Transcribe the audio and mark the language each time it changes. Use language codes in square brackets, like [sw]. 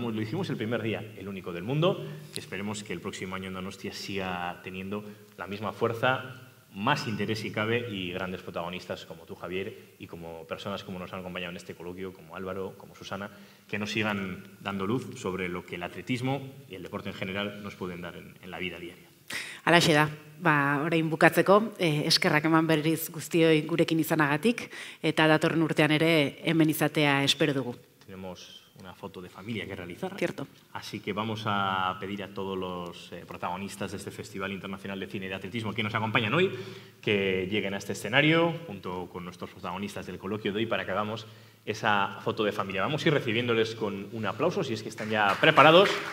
[es] Lo hicimos el primer día, el único del mundo. Esperemos que el próximo año en Donostia siga teniendo la misma fuerza, más interés si cabe, y grandes protagonistas como tú, Javier, y como personas como nos han acompañado en este coloquio, como Álvaro, como Susana, que nos sigan dando luz sobre lo que el atletismo y el deporte en general nos pueden dar en la vida diaria. [eu] Halaxe da, ba, orain bukatzeko, eskerrak eman berriz guztioi gurekin izanagatik, eta datorren urtean ere hemen izatea espero dugu. [es] Tenemos una foto de familia que realizar. Cierto. Así que vamos a pedir a todos los protagonistas de este Festival Internacional de Cine y de Atletismo que nos acompañan hoy, que lleguen a este escenario junto con nuestros protagonistas del coloquio de hoy para que hagamos esa foto de familia. Vamos a ir recibiéndoles con un aplauso, si es que están ya preparados.